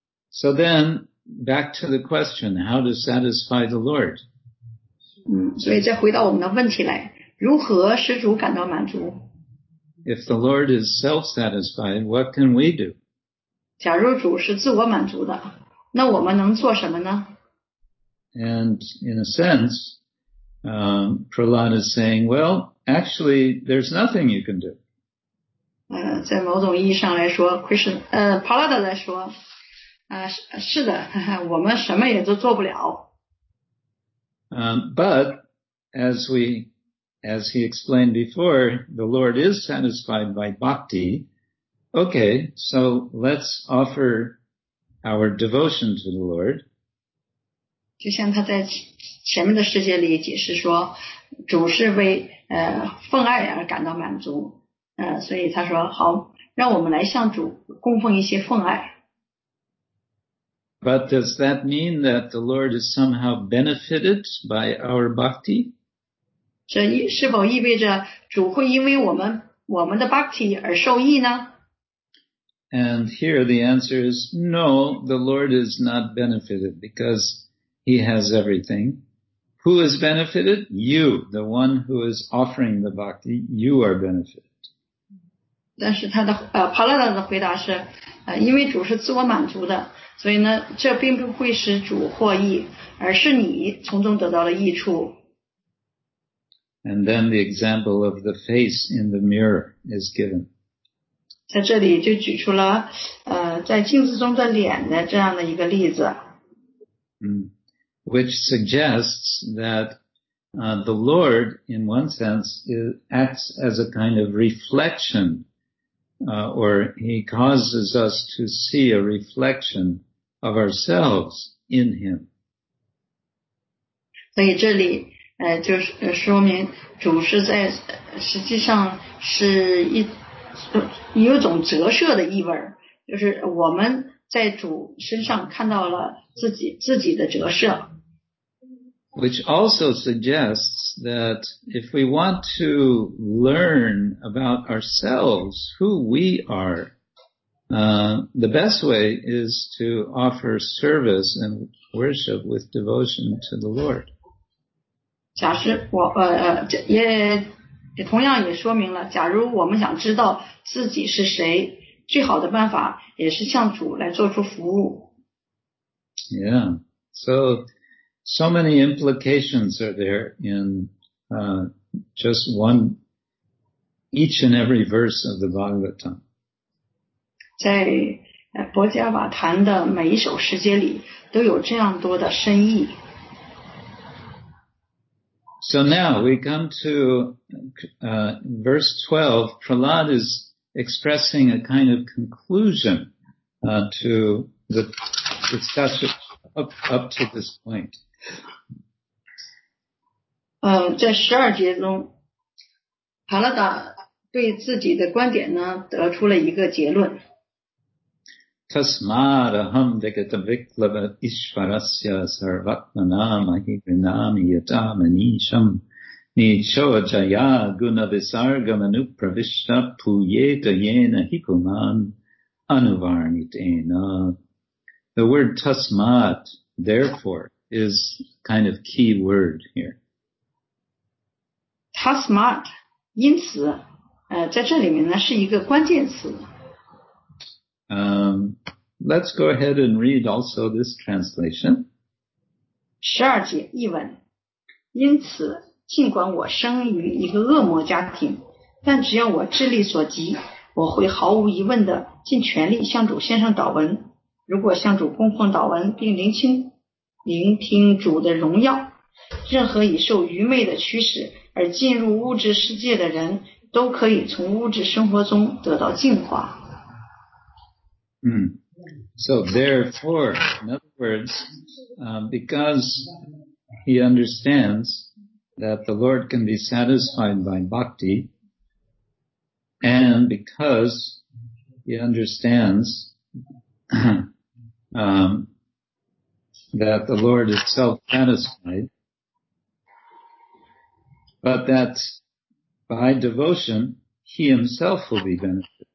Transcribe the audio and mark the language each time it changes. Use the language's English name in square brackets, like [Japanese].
[English] So then,back to the question, how to satisfy the Lord? [Chinese] 所以再回到我们的问题来，如何使主感到满足？ [English] If the Lord is self-satisfied, what can we do? [Chinese] 假如主是自我满足的，那我们能做什么呢？ [English] And in a sense, Prahlad is saying, well, actually, there's nothing you can do. [Chinese] 在某种意义上来说 Prahlad 来说是的，我们什么也都做不了。 [English] But as he explained before, the Lord is satisfied by bhakti, Okay, so let's offer our devotion to the Lord. [Chinese] 就像他在前面的世界里解释说，总是为奉爱而感到满足。所以他说好，让我们来向主供奉一些奉爱。 [English] But does that mean that the Lord is somehow benefited by our bhakti? [Chinese] 这是否意味着主会因为我们的 bhakti 而受益呢？ [English] And here the answer is no, the Lord is not benefited because he has everything. Who is benefited? You, the one who is offering the bhakti, you are benefited. [Chinese] 但是他的帕拉达的回答是因为主是自我满足的，所以呢这并不会使主获益，而是你从中得到了益处。 [English] And then the example of the face in the mirror is given. [Chinese] 在这里就举出了在镜子中的脸的这样的一个例子。 [English] Which suggests thatthe Lord, in one sense, acts as a kind of reflection. Or he causes us to see a reflection of ourselves in him. [Chinese] 所以这里就是说明主是在实际上是一有种折射的意味，就是我们在主身上看到了自己的折射。 [English] Which also suggests that if we want to learn about ourselves, who we are, the best way is to offer service and worship with devotion to the Lord. [Chinese] 假设我也同样也说明了，假如我们想知道自己是谁，最好的办法也是向主来做出服务。 [English] Yeah, so... So many implications are there in just one, each and every verse of the Bhagavatam. [Chinese] 在博伽瓦坛的每一首诗节里都有这样多的深意。 [English] So now we come to verse 12. Prahlad is expressing a kind of conclusion to the discussion up to this point. [Chinese] 在十二节中，帕拉达对自己的观点呢，得出了一个结论。 [Sanskrit] Tasmad aham vigata viklava ishvarasya sarvatmana mahigrinami yatamanisham nichojaya gunavisargamanupravishta puyeta yena hikuman anuvarnitena. [English] The word tasmad, therefore,is kind of key word here. [Chinese] Tasmat, 因此在这里面呢是一个关键词。 [English] Let's go ahead and read also this translation. [Chinese] 十二节译文，因此尽管我生于一个恶魔家庭，但只要我智力所及，我会毫无疑问的尽全力向主献上祷文。如果向主供奉祷文并聆听主的荣耀，任何已受愚昧的驱使而进入物质世界的人都可以从物质生活中得到净化。 [English] So therefore, in other words, because he understands that the Lord can be satisfied by bhakti, and because he understands that the Lord is self-satisfied, but that by devotion, he himself will be benefited.